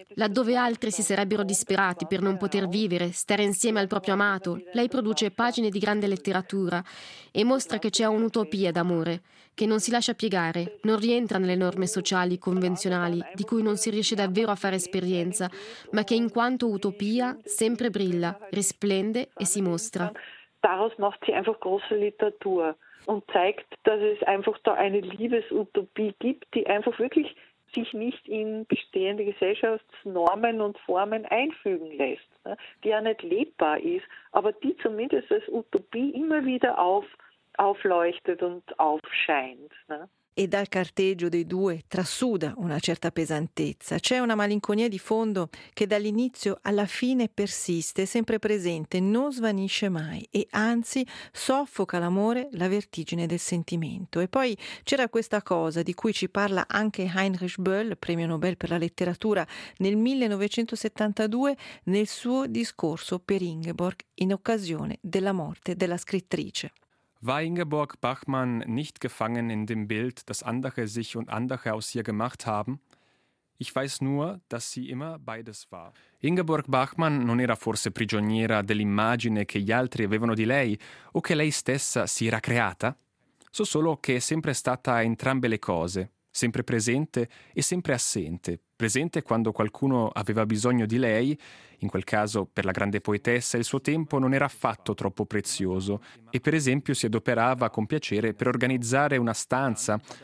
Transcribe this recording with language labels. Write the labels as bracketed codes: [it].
[it] Laddove altri si sarebbero disperati per non poter vivere, stare insieme al proprio amato, lei produce pagine di grande letteratura e mostra che c'è un'utopia d'amore, che non si lascia piegare, non rientra nelle norme sociali convenzionali, di cui non si riesce davvero a fare esperienza, ma che in quanto utopia sempre brilla, risplende e si mostra. [de] Daraus macht sie einfach große Literatur und zeigt, dass es einfach da eine Liebesutopie gibt, die einfach wirklich sich nicht in bestehende Gesellschaftsnormen und Formen einfügen lässt, die ja nicht lebbar ist, aber die zumindest als Utopie immer wieder aufleuchtet und aufscheint. [it] E dal carteggio dei due trasuda una certa pesantezza. C'è una malinconia di fondo che dall'inizio alla fine persiste, sempre presente, non svanisce mai e anzi soffoca l'amore, la vertigine del sentimento. E poi c'era questa cosa di cui ci parla anche Heinrich Böll, premio Nobel per la letteratura, nel 1972 nel suo discorso per Ingeborg in occasione della morte della scrittrice. [de] War Ingeborg Bachmann nicht gefangen in dem Bild, das andere sich und andere aus ihr gemacht haben? Ich weiß nur, dass sie immer beides war. [it] Ingeborg Bachmann non era forse prigioniera dell'immagine che gli altri avevano di lei o che lei stessa si era creata? So solo che è sempre stata entrambe le cose, sempre presente e sempre assente. Presente quando qualcuno aveva bisogno di lei, in quel caso per la grande poetessa il suo tempo non era affatto troppo prezioso e per esempio si adoperava con piacere per organizzare una stanza.